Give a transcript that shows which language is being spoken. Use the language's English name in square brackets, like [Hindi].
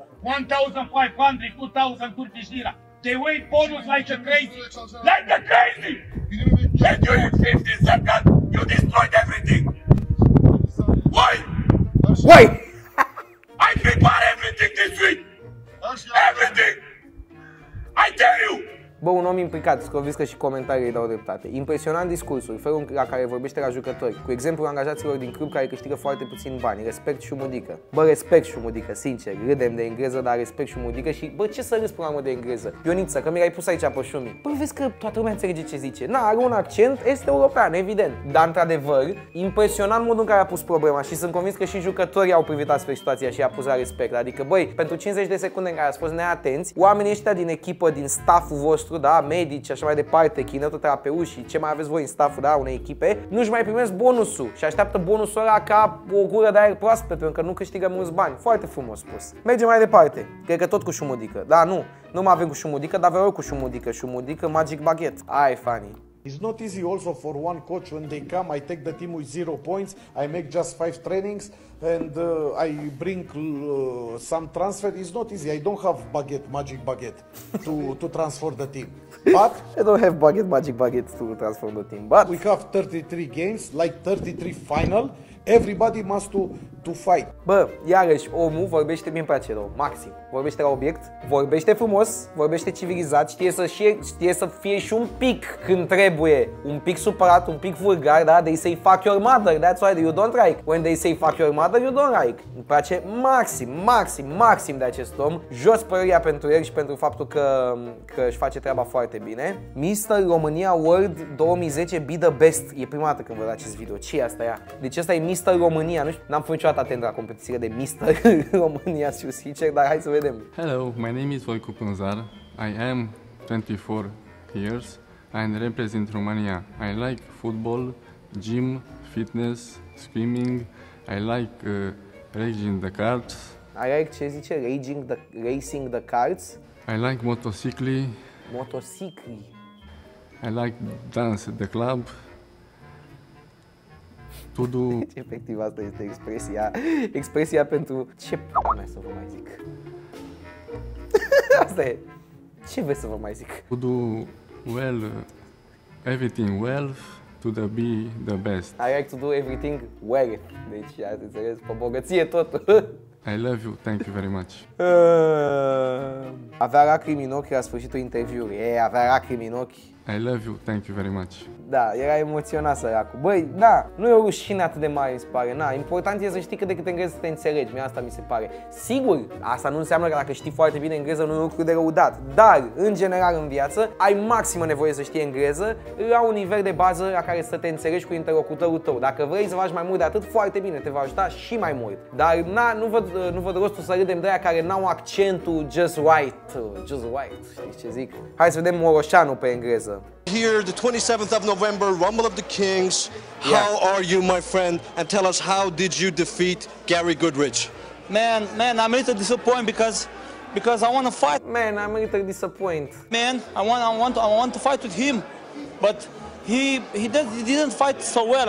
[English] 1,500, 2,000 Turkish lira. They wait bonus like a crazy. Like a crazy! And you in 50 seconds, you destroyed everything! Why? Why? I prepare everything this week! Everything! I tell you! [Romanian] Bă, un om implicat, scovesc că și comentariile îi dau dreptate. Impresionant discursul, felul la care vorbește la jucători, cu exemplu angajaților din club care câștigă foarte puțin bani. Respect Șumudică. Bă, respect Șumudică, sincer. Râdem de engleză, dar respect Șumudică și, bă, ce să râs până la urmă de engleză? Ioniță, că mi l-ai pus aici pe Șumi. Bă, vezi că toată lumea înțelege ce zice. Na, are un accent, este european, evident. Dar, într-adevăr, impresionant modul în care a pus problema și sunt convins că și jucătorii au privit astfel situația și i-a pus la respect. Adică, băi, pentru 50 de secunde în care a fost neatenți, oamenii ăștia din echipă, din staff-ul vostru, da, medici, așa mai departe, kinetoterapeuți, ce mai aveți voi în staff-ul, da, unei echipe, nu-și mai primesc bonusul și așteaptă bonusul ăla ca o gură de aer proaspăt, pentru că nu câștigă mulți bani. Foarte frumos spus. Mergem mai departe. Cred că tot cu Șumudică. Da, nu. Nu mai avem cu Șumudică, dar vreau cu Șumudică. Șumudică, [English] magic baguette. [Romanian] Ai, funny. [English] It's not easy also for one coach when they come, I take the team with 0 points, I make just 5 trainings and I bring some transfer. It's not easy, I don't have baguette, magic baguette to transfer the team. But I don't have baguette, magic baguette to transfer the team, but we have 33 games, like 33 final. Everybody must to fight. [Romanian] Bă, iarăși omul vorbește, mi-mi place, Maxim. vorbește la obiect, vorbește frumos, vorbește civilizat, știe să fie și un pic când trebuie, un pic supărat, un pic vulgar, da? [English] They say fuck your mother, that's why you don't like. When they say fuck your mother, you don't like. [Romanian] Îmi place maxim de acest om, jos părăria pentru el și pentru faptul că își face treaba foarte bine. Mr. România World 2010 Be The Best, e prima dată când văd acest video, ce e asta ea? Deci asta e Mr. România, nu știu, n-am fost niciodată atent la competiția de Mr. România, știu sincer, dar hai să vedem. [English] Hello, my name is Voicu Pânzar. I am 24 years and represent Romania. I like football, gym, fitness, swimming. I like racing the carts. I like, [Romanian] ce zice, [English] racing the carts? I like motocicli. [Romanian] Motocicli. [English] I like dance at the club. Tudu. [Romanian] Efectiv, asta este expresia pentru ce p***a mea să vă mai zic. Asta e. Ce vrei să vă mai zic? [English] To do well, everything well, to the be the best. I like to do everything well. [Romanian] Deci, ați înțeles, pe bogăție tot. [English] I love you, thank you very much. [Romanian] Avea lacrimi în ochi la sfârșitul interviului. Avea lacrimi în ochi. [English] I love you, thank you very much. [Romanian] Da, era emoționat săracul. Băi, da, nu e o rușine atât de mare, îmi pare. Na, important e să știi cât de cât engleză să te înțelegi. Mie asta mi se pare. Sigur, asta nu înseamnă că dacă știi foarte bine engleză, nu e un lucru de răudat. Dar, în general, în viață, ai maximă nevoie să știi engleză la un nivel de bază la care să te înțelegi cu interlocutorul tău. Dacă vrei să faci mai mult de atât, foarte bine, te va ajuta și mai mult. Dar, na, nu văd rostul să râdem de aia care n-au accentul [English] just right, [Romanian] știi ce zic? Hai să vedem Moroșanu pe engleză. [English] Here the 27th of November, Rumble of the Kings. How are you, my friend? And tell us, how did you defeat Gary Goodrich? Man, I'm a little disappointed because I want to fight. Man, I'm a little disappointed. Man, I want to fight with him, but he didn't fight so well.